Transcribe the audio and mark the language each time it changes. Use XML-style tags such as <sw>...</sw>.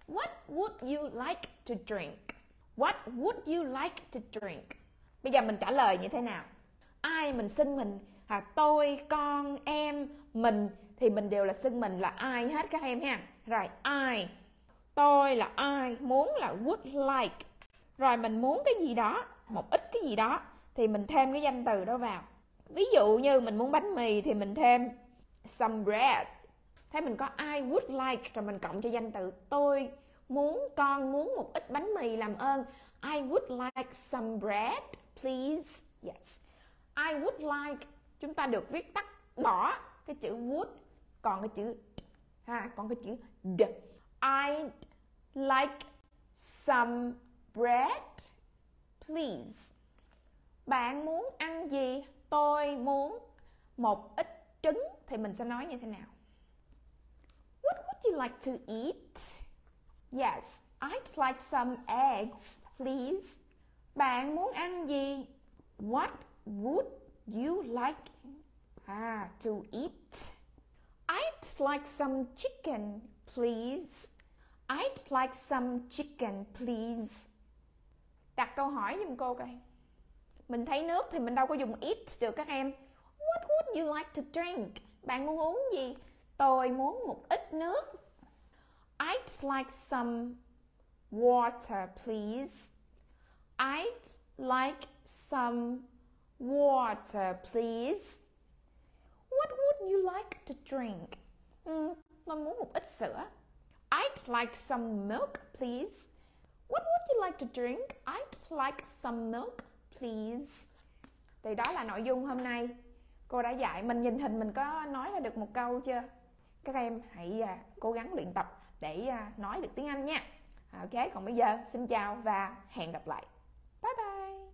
<en>What would you like to drink? What would you like to drink?</en> <vi>Bây giờ mình trả lời như thế nào? Ai mình xưng mình? À, tôi, con, em, mình thì mình đều là xưng mình là ai hết các em ha. Rồi, ai. Tôi là ai, muốn là would like. Rồi mình muốn cái gì đó, một ít cái gì đó thì mình thêm cái danh từ đó vào. Ví dụ như mình muốn bánh mì thì mình thêm</vi> <en>some bread.</en> <vi>Thế mình có I would like rồi mình cộng cho danh từ tôi muốn con muốn một ít bánh mì làm ơn.</vi> <en>I would like some bread, please. Yes.</en> <vi>I would like, chúng ta được viết tắt bỏ cái chữ would, còn cái chữ ha, còn cái chữ d.</vi> <en>I'd like some bread, please.</en> <vi>Bạn muốn ăn gì? Tôi muốn một ít trứng thì mình sẽ nói như thế nào?</vi> <en>What would you like to eat? Yes, I'd like some eggs, please.</en> <vi>Bạn muốn ăn gì?</vi> <en>What would you like to eat? I'd like some chicken, please. I'd like some chicken, please.</en> <vi>Đặt câu hỏi giùm cô coi. Mình thấy nước thì mình đâu có dùng eat được các em.</vi> <en>What would you like to drink?</en> <vi>Bạn muốn uống gì? Tôi muốn một ít nước.</vi> <en>I'd like some water, please. I'd like some water, please. What would you like to drink?</en> <vi>Con muốn một ít sữa.</vi> <en>I'd like some milk, please. What would you like to drink? I'd like some milk, please.</en> <vi>Thì đó là nội dung hôm nay. Cô đã dạy mình nhìn hình mình có nói ra được một câu chưa? Các em hãy cố gắng luyện tập để nói được tiếng Anh nha. Ok, còn bây giờ xin chào và hẹn gặp lại. Bye bye.</vi>